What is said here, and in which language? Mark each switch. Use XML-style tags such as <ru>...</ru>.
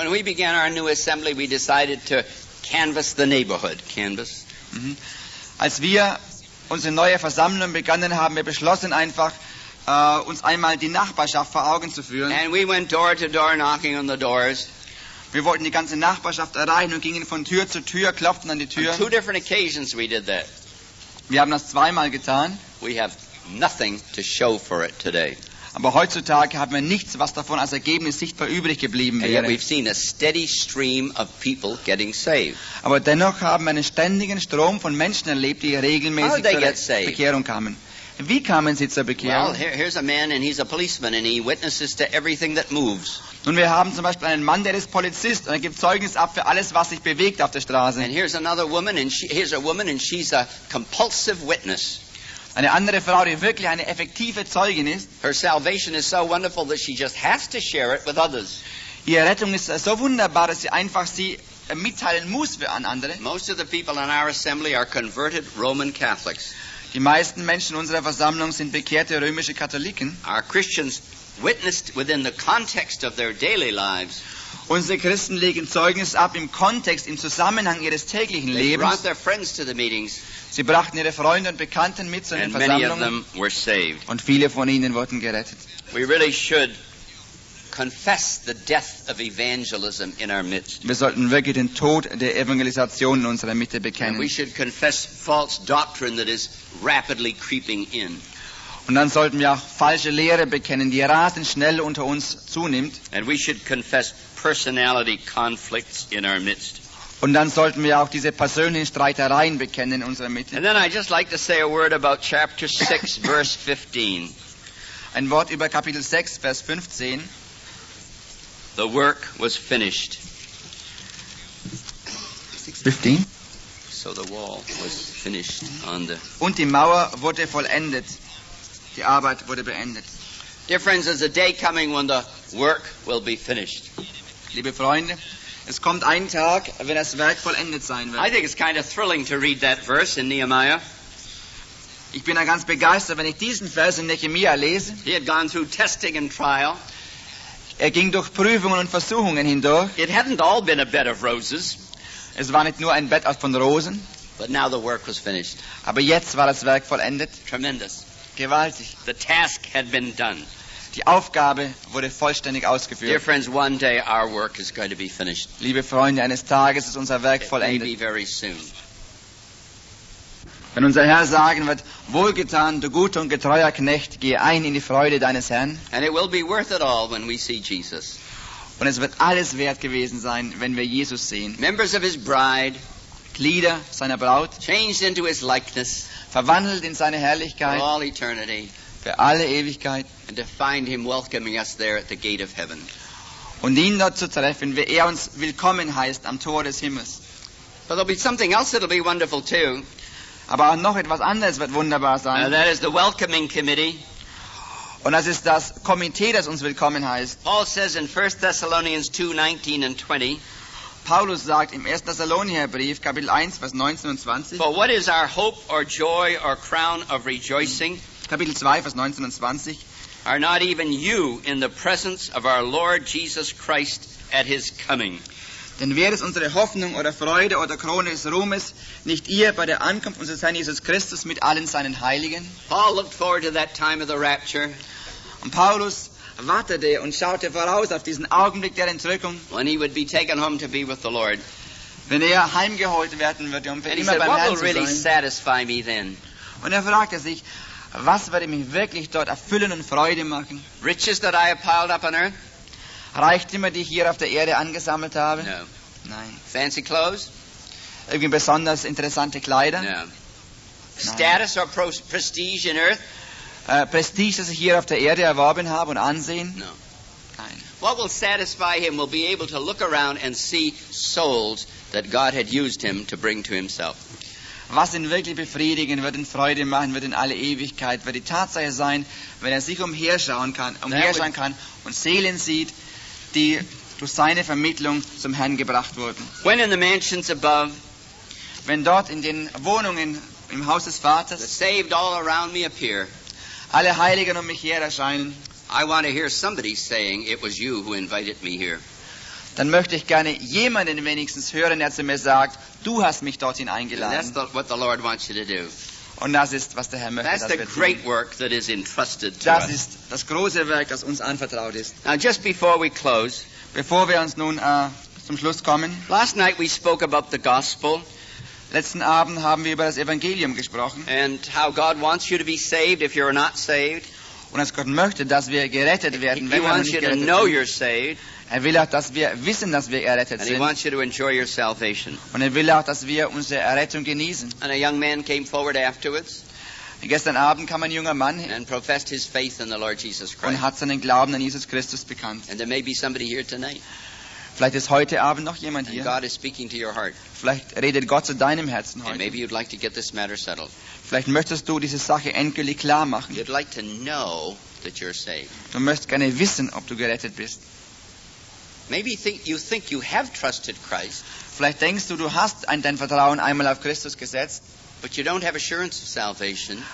<en>When we began our new assembly, we decided to canvass the neighborhood. Canvass. Mm-hmm.</en> <de>Als wir unsere neue Versammlung begannen, haben wir beschlossen, einfach uns einmal die Nachbarschaft vor Augen zu führen.</de> <en>And we went door to door knocking on the doors.</en> <de>Wir wollten die ganze Nachbarschaft erreichen und gingen von Tür zu Tür, klopften an die Tür.</de> <en>On two different occasions we did that.</en> <de>Wir haben das zweimal getan.</de> <en>We have nothing to show for it today.</en> <de>Aber heutzutage haben wir nichts, was davon als Ergebnis sichtbar übrig geblieben wäre.</de> <en>And yet we've seen a steady stream of people getting saved.</en> <de>Aber dennoch haben wir einen ständigen Strom von Menschen erlebt, die regelmäßig zur Bekehrung kamen. Wie kamen sie zur Bekehrung?</de> <en>Well, here's a man and he's a policeman and he witnesses to everything that moves.</en> <de>Nun, wir haben zum Beispiel einen Mann, der ist Polizist und er gibt Zeugnis ab für alles, was sich bewegt auf der Straße.</de> <en>And here's another woman and here's a woman and she's a compulsive witness.</en> <de>Eine andere Frau, die wirklich eine effektive Zeugin ist.</de> <en>Her salvation is so wonderful that she just has to share it with others.</en> <de>Ihre Rettung ist so wunderbar, dass sie einfach sie mitteilen muss für andere.</de> <en>Most of the people in our assembly are converted Roman Catholics.</en> <de>Die meisten Menschen unserer Versammlung sind bekehrte römische Katholiken.</de> <en>Our Christians witnessed within the context of their daily lives.</en> <de>Unsere Christen legen Zeugnis ab im Kontext, im Zusammenhang ihres täglichen Lebens.</de> <en>They brought their friends to the meetings.</en> <de>Sie brachten ihre Freunde und Bekannten mit zu den Versammlungen. Und viele von ihnen wurden gerettet.</de> <en>We really should confess the death of evangelism in our midst.</en> <de>Wir sollten wirklich den Tod der Evangelisation in unserer Mitte bekennen.</de> <en>And we should confess false doctrine that is rapidly creeping in.</en> <de>Und dann sollten wir auch falsche Lehre bekennen, die rasend schnell unter uns zunimmt.</de> <en>And we should confess personality conflicts in our midst.</en> <de>Und dann sollten wir auch diese persönlichen Streitereien bekennen in unserer Mitte.</de> <en>And then I'd just like to say a word about chapter 6, verse 15.</en> <de>Ein Wort über Kapitel 6, Vers 15.</de> <en>The work was finished. 15? So the wall was finished on the...</en> <de>Und die Mauer wurde vollendet. Die Arbeit wurde beendet.</de> <en>Dear friends, there's a day coming when the work will be finished.</en> <de>Liebe Freunde, es kommt ein Tag, wenn das Werk vollendet sein wird.</de> <en>I think it's kind of thrilling to read that verse in Nehemiah.</en> <de>Ich bin da ganz begeistert, wenn ich diesen Vers in Nehemiah lese.</de> <en>He had gone through testing and trial.</en> <de>Er ging durch Prüfungen und Versuchungen hindurch.</de> <en>It hadn't all been a bed of roses.</en> <de>Es war nicht nur ein Bett von Rosen.</de> <en>But now the work was finished.</en> <de>Aber jetzt war das Werk vollendet.</de> <en>Tremendous.</en> <de>Gewaltig.</de> <en>The task had been done.</en> <de>Die Aufgabe wurde vollständig ausgeführt.</de> <en>Dear friends, one day our work is going to be finished.</en> <de>Liebe Freunde, eines Tages ist unser Werk vollendet.</de> <en>It may be very soon.</en> <de>Wenn unser Herr sagen wird, wohlgetan, du guter und getreuer Knecht, gehe ein in die Freude deines Herrn.</de> <en>And it will be worth it all when we see Jesus.</en> <de>Und es wird alles wert gewesen sein, wenn wir Jesus sehen.</de> <en>Members of his bride,</en> <de>Glieder seiner Braut,</de> <en>changed into his likeness,</en> <de>verwandelt in seine Herrlichkeit,</de> <en>for all eternity.</en> <de>Für alle Ewigkeit.</de> <en>And to find him welcoming us there at the gate of heaven.</en> <de>Und ihn dort zu treffen, wie er uns willkommen heißt am Tor des Himmels.</de> <en>But there'll be something else that'll be wonderful too.</en> <de>Aber auch noch etwas anderes wird wunderbar sein.</de> <en>That is the welcoming committee.</en> <de>Und das ist das Komitee, das uns willkommen heißt.</de> <en>Paul says in 1 Thessalonians 2, 19 and 20.</en> <de>Paulus sagt im 1. Thessalonierbrief, Kapitel 1, Vers 19 und 20.</de> <en>For what is our hope or joy or crown of rejoicing?</en> <de>Kapitel 2, Vers 19 und 20.</de> <en>Are not even you in the presence of our Lord Jesus Christ at his coming?</en> <de>Denn wer ist unsere Hoffnung oder Freude oder Krone des Ruhmes? Nicht ihr bei der Ankunft unseres Herrn Jesus Christus mit allen seinen Heiligen?</de> <en>Paul looked forward to that time of the rapture.</en> <de>Und Paulus wartete und schaute voraus auf diesen Augenblick der Entrückung.</de> <en>When he would be taken home to be with the Lord.</en> <de>Wenn er heimgeholt werden würde, um für immer beim Herrn zu sein.</de> <en>And he said, what will really satisfy me then?</en> <de>Und er fragte sich, was würde mich wirklich dort erfüllen und Freude machen?</de> <en>Riches that I have piled up on earth?</en> <de>Reichtümer, die ich hier auf der Erde angesammelt habe?</de> <en>No.</en> <de>Nein.</de> <en>Fancy clothes?</en> <de>Irgendwie besonders interessante Kleider?</de> <en>No. Status or prestige in earth?</en> <de>Prestige, das ich hier auf der Erde erworben habe und Ansehen?</de> <en>No.</en> <de>Nein.</de> <en>What will satisfy him will be able to look around and see souls that God had used him to bring to himself.</en> <de>Was ihn wirklich befriedigen wird, ihn Freude machen wird in alle Ewigkeit, wird die Tatsache sein, wenn er sich umherschauen kann und Seelen sieht, die durch seine Vermittlung zum Herrn gebracht wurden.</de> <en>When in the mansions above,</en> <de>wenn dort in den Wohnungen im Haus des Vaters,</de> <en>the saved all around me appear,</en> <de>alle Heiligen um mich her erscheinen,</de> <en>I want to hear somebody saying, it was you who invited me here.</en> <de>Dann möchte ich gerne jemanden wenigstens hören, der zu mir sagt, du hast mich dorthin eingeladen.</de> <en>That's what the Lord wants you to do.</en> <de>Und das ist, was der Herr möchte,</de> <en>that's</en> <de>dass</de> <en>the</en> <de>wir</de> <en>great</en> <de>tun.</de> <en>Work that is entrusted to</en> <de>das</de> <en>us.</en> <de>Ist das große Werk, das uns anvertraut ist.</de> <en>Now just before we close,</en> <de>bevor wir uns nun zum Schluss kommen.</de> <en>Last night we spoke about the gospel.</en> <de>Letzten Abend haben wir über das Evangelium gesprochen.</de> <en>And how God wants you to be saved if you're not saved.</en> <de>Und dass Gott möchte, dass wir gerettet werden, wenn wir nicht gerettet sind. Er will auch, dass wir wissen, dass wir errettet sind.</de> <en>And he wants you to enjoy your salvation.</en> <de>Und er will auch, dass wir unsere Errettung genießen.</de> <en>And a young man came forward afterwards.</en> <de>Gestern Abend kam ein junger Mann</de> <en>and professed his faith in the Lord Jesus Christ.</en> <de>Und hat seinen Glauben an Jesus Christus bekannt.</de> <en>And there may be somebody here tonight.</en> <de>Vielleicht ist heute Abend noch jemand hier.</de> <en>And God is speaking to your heart.</en> <de>Vielleicht redet Gott zu deinem Herzen heute.</de> <en>And maybe you'd like to get this matter settled.</en> <de>Vielleicht möchtest du diese Sache endgültig klar machen.</de> <en>You'd like to know that you're saved.</en> <de>Du möchtest gerne wissen, ob du gerettet bist.</de> <en>Maybe you think you have trusted Christ.</en> <de>Vielleicht denkst du hast dein Vertrauen einmal auf Christus gesetzt.</de> <en>But you don't have assurance of salvation.</en>